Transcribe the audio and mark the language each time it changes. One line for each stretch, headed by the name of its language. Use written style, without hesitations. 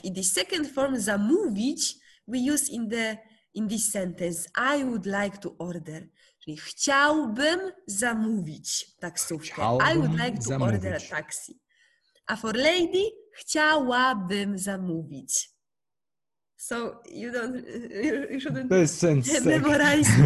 English: I the second form zamówić we use in this sentence. I would like to order.
Polish: Czyli chciałbym zamówić taksówkę. Chciałbym
English: I would like
Polish: zamówić.
English: To order a taxi. A for lady,
Polish: chciałabym zamówić.
English: So you shouldn't memorize.